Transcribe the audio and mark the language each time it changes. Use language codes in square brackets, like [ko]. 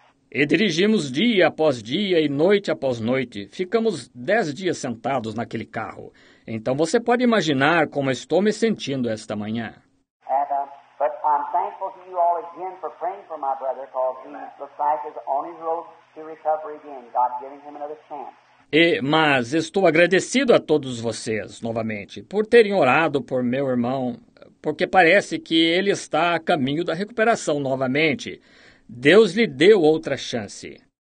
[pt] E dirigimos dia após dia e noite após noite. Ficamos 10 dias sentados naquele carro. Então você pode imaginar como estou me sentindo esta manhã. [en] And, but I'm thankful grateful to you all again for praying for my brother, because he looks like he's on his road to recovery again, God giving him another chance. [pt] Mas estou agradecido a todos vocês, novamente, por terem orado por meu irmão, porque parece que ele está a caminho da recuperação novamente. Deus lhe deu outra chance.